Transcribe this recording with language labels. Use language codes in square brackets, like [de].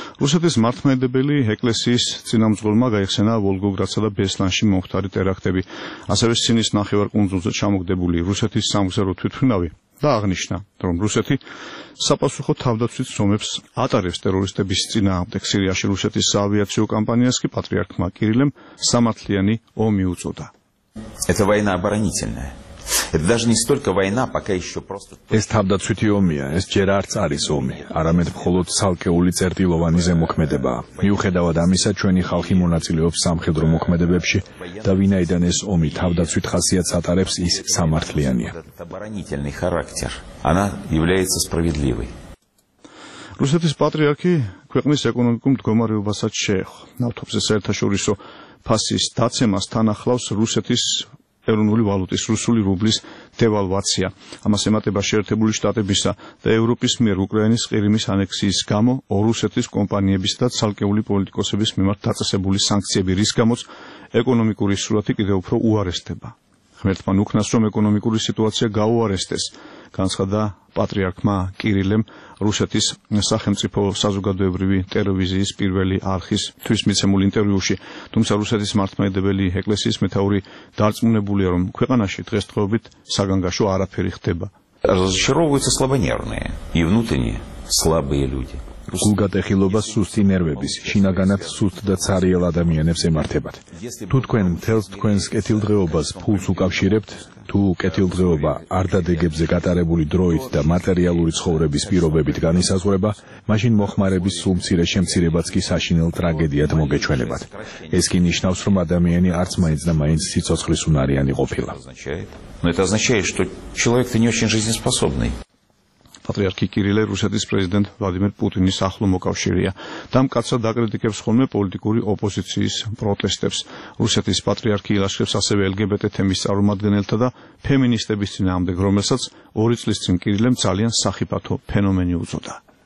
[ka] რუსეთის მართლმადიდებელი ეკლესიის წინამძღოლმა გაიხსენა ვოლგოგრადსა და ბესლანში მომხდარი ტერაქტები, ასევე სინის ნახევარკუნძულზე ჩამოგდებული რუსეთის სამგზავრო თვითმფრინავი. და აღნიშნა, რომ რუსეთი საპასუხო თავდაცვით ზომებს ატარებს ტერორისტების წინააღმდეგ. სირიაში რუსეთის საავიაციო კამპანიას კი პატრიარქმა კირილემ სამართლიანი ომი უწოდა. [ru] Это война оборонительная. Это даже не столько война, пока ещё просто [ka] ეს თავდაცვითი ომია, ეს ჯერ არც არის ომი, არამედ მხოლოდ ცალკეული წერტილოვანი ზემოქმედება. მიუხედავად ამისა, ჩვენი ხალხი მონაწილეობს სამხედრო მოქმედებებში და ვინაიდან ეს ომი თავდაცვით ხასიათს ატარებს, ის სამართლიანია. [ru] Оборонительный характер. Она является справедливой. [ka] რუსეთის პატრიარქი ქვეყნის ეკონომიკურ მდგომარეობასაც შეეხო. ნავთობზე საერთაშორისო ფასის დაცემას თან ახლავს რუსეთის ეროვნული ვალუტის რუსული რუბლის დევალვაცია. ამას ემატება შეერთებული შტატებისა და ევროპის მიერ უკრაინის ყირიმის ანექსიის გამო რუსეთის კომპანიების და ცალკეული პოლიტიკოსების მიმართ დაწესებული სანქციები, რის გამოც ეკონომიკური სურათი კიდევ უფრო უარესდება. ღმერთმან უქნას, რომ ეკონომიკური სიტუაცია გაუარესდეს, განცხადა პატრიარქმა კირილემ რუსეთის სახელმწიფო საზოგადოებრივი ტელევიზიის პირველი არხისთვის მიცემულ ინტერვიუში. თუმცა რუსეთის მართლმადიდებელი ეკლესიის მეთაური დარწმუნებულია, რომ ქვეყანაში დღესდღეობით საგანგაშო არაფერი ხდება. [ru] Разочаровываются слабонервные и внутренние слабые люди. [ka] გულგატეხილობა სუსტი ნერვების, შინაგანად სუსტ და ცარიელ ადამიანებს ემართებათ. თუ თქვენ მთელს თქვენს კეთილდღეობას ფულს უკავშირებთ, თუ კეთილდღეობა არ დადეგებზე გატარებული დროით და მატერიალური ცხოვრების პირობებით განისაზღვრება, მაშინ მოხმარების სულ მცირე შემცირებაც კი საშინელ ტრაგედიად მოგეჩვენებათ. ეს კი ნიშნავს, რომ ადამიანი არც მაინც და მაინც სიცოცხლის უნარიანი ყოფილა. [ru] Но это означает, что человек-то не очень жизнеспособный. [ka] პატრიარქი კირილე რუსეთის პრეზიდენტ ვლადიმერ პუტინის ახლო მოკავშირეა და მკაცრად აკრიტიკებს ხოლმე პოლიტიკური ოპოზიციის პროტესტებს. რუსეთის პატრიარქი ილაშქრებს ასევე LGBT თემის წარმომადგენელთა და ფემინისტების წინააღმდეგ, რომელსაც ორი წლის წინ კირილემ ძალიან სახიფათო ფენომენი უწოდა.